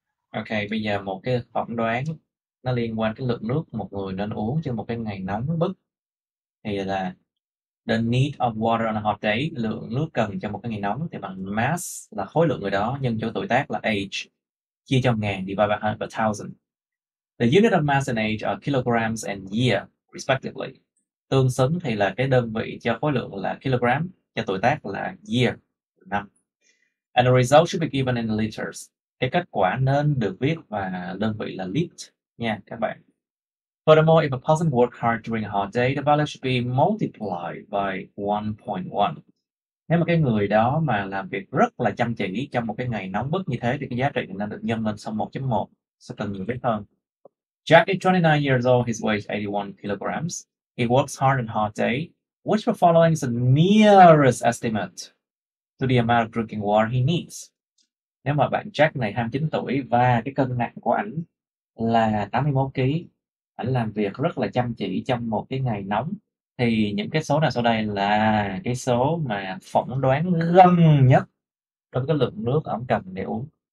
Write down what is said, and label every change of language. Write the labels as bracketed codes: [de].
[vi] Okay, bây giờ một cái phỏng đoán nó liên quan cái lượng nước một người nên uống trên một cái ngày nóng bức thì là [en] the need of water on a hot day, [vi] lượng nước cần cho một cái ngày nóng thì bằng mass là khối lượng người đó nhân cho tuổi tác là age chia cho ngàn divide by 100. [en] The unit of mass and age are kilograms and year respectively. [vi] Tương xứng thì là cái đơn vị cho khối lượng là kilogram, cho tuổi tác là year, năm. [en] And the result should be given in liters. [vi] Cái kết quả nên được viết và đơn vị là lít nha các bạn. [en] Furthermore, if a person work hard during a hot day, the value should be multiplied by 1.1. [vi] Nếu mà cái người đó mà làm việc rất là chăm chỉ trong một cái ngày nóng bức như thế thì cái giá trị nên được nhân lên sau 1.1. Sẽ cần người biết hơn. [en] Jack is 29 years old, his weight 81 kilograms. He works hard on a hot day. Which of the following is the nearest estimate to the amount of drinking water he needs? [vi] Nếu mà bạn Jack này 29 tuổi và cái cân nặng của ảnh là 81 kg, ảnh làm việc rất là chăm chỉ trong một cái ngày nóng, thì những cái số nào sau đây là cái số mà phỏng đoán gần nhất trong cái lượng nước ổng cần để uống.